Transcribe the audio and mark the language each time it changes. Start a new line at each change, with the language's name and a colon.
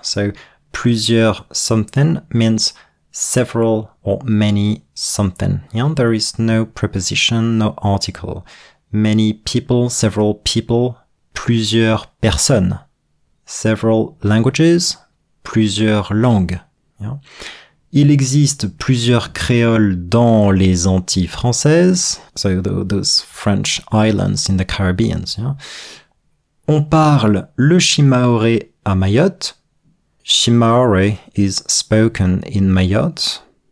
English: So, plusieurs something means several or many something. Yeah, there is no preposition, no article. Many people, several people,
French: plusieurs personnes.
English: Several languages,
French: plusieurs langues.
English: Yeah.
French: Il existe plusieurs créoles dans les Antilles françaises.
English: So those French islands in the Caribbean. Yeah.
French: On parle le Chimaoré à Mayotte.
English: Chimaoré is spoken in Mayotte.